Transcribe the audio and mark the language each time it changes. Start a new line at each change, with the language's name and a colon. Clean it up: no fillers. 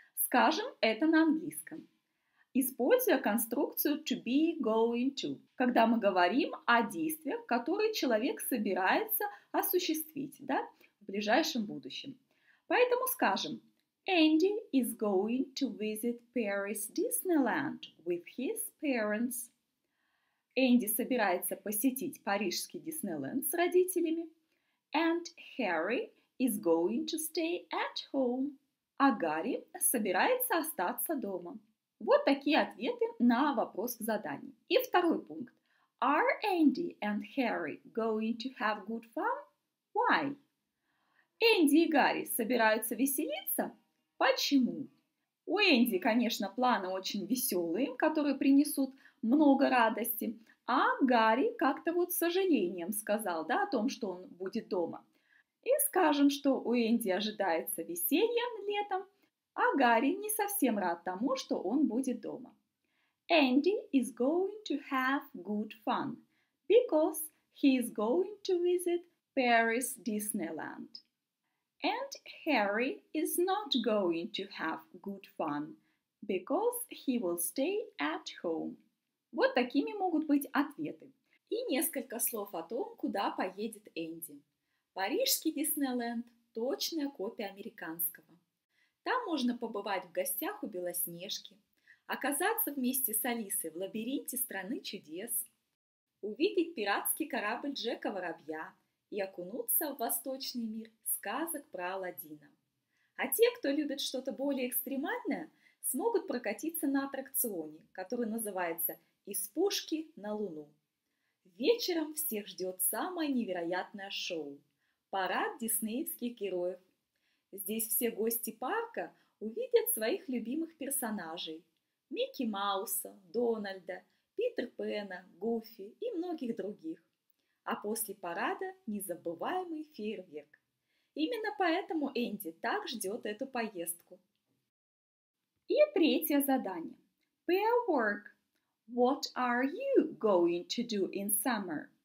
Russian: Скажем это на английском. Используя конструкцию to be going to, когда мы говорим о действиях, которые человек собирается осуществить, да, в ближайшем будущем. Поэтому скажем
English: Andy is going to visit Paris Disneyland with his parents.
Russian: Энди собирается посетить Парижский Диснейленд с родителями.
English: And Harry is going to stay at home.
Russian: А Гарри собирается остаться дома. Вот такие ответы на вопрос в задании. И второй пункт.
English: Are Andy and Harry going to have good fun? Why?
Russian: Энди и Гарри собираются веселиться? Почему? У Энди, конечно, планы очень веселые, которые принесут много радости. А Гарри как-то вот с сожалением сказал, да, о том, что он будет дома. И скажем, что у Энди ожидается веселье летом, а Гарри не совсем рад тому, что он будет дома.
English: Andy is going to have good fun because he is going to visit Paris Disneyland. And Harry is not going to have good fun because he will stay at home.
Russian: Вот такими могут быть ответы. И несколько слов о том, куда поедет Энди. Парижский Диснейлэнд – точная копия американского. Там можно побывать в гостях у Белоснежки, оказаться вместе с Алисой в лабиринте страны чудес, увидеть пиратский корабль Джека Воробья и окунуться в восточный мир сказок про Аладдина. А те, кто любит что-то более экстремальное, смогут прокатиться на аттракционе, который называется «Из пушки на Луну». Вечером всех ждет самое невероятное шоу – парад диснеевских героев. Здесь все гости парка увидят своих любимых персонажей – Микки Мауса, Дональда, Питер Пена, Гуфи и многих других. А после парада – незабываемый фейерверк. Именно поэтому Энди так ждет эту поездку. И третье задание.
English: Pair work. What are you going to do in summer?